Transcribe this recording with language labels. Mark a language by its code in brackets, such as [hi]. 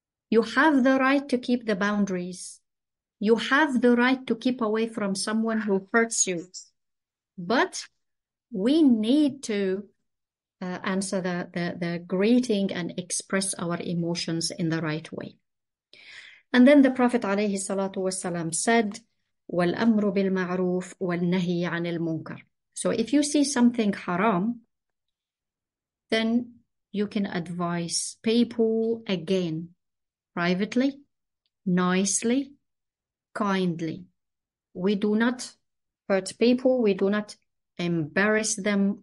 [en] You have the right to keep the boundaries. You have the right to keep away from someone who hurts you. But we need to answer the greeting and express our emotions in the right way. And then the Prophet [ar] عليه الصلاة والسلام [en] said, [ar] وَالْأَمْرُ بِالْمَعْرُوفِ وَالنَّهِي عَنِ الْمُنْكَرِ. [en] So if you see something haram, then you can advise people again, privately, nicely, kindly. We do not hurt people. We do not embarrass them.